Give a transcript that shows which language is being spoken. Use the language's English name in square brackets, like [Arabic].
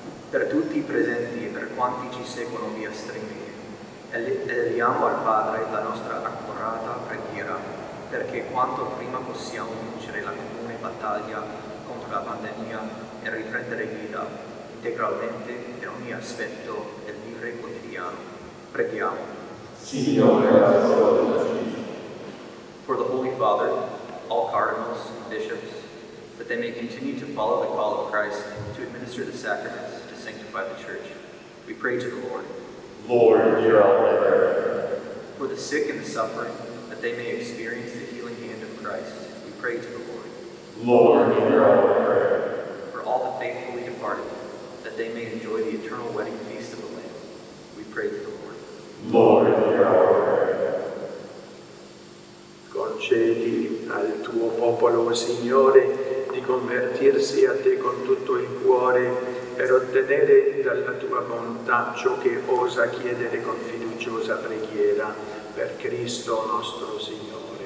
[Italian] per tutti i presenti e per quanti ci seguono via streaming, eleviamo al Padre la nostra accorata preghiera, perché quanto prima possiamo vincere la comune battaglia contro la pandemia e riprendere vita integralmente per ogni aspetto del vivere quotidiano. Preghiamo. Signore, ascoltaci. [English] For the Holy Father, all cardinals and bishops, that they may continue to follow the call of Christ to administer the sacraments to sanctify the Church, we pray to the Lord. Lord, hear our prayer. For the sick and the suffering, that they may experience the healing hand of Christ, we pray to the Lord. Lord, hear our prayer. For all the faithfully departed, that they may enjoy the eternal wedding feast of the Lamb, we pray to the Lord. Lord, hear our prayer. [Italian] Concedi al tuo popolo, Signore, di convertirsi a te con tutto il cuore per ottenere dalla tua bontà ciò che osa chiedere con fiduciosa preghiera per Cristo nostro Signore.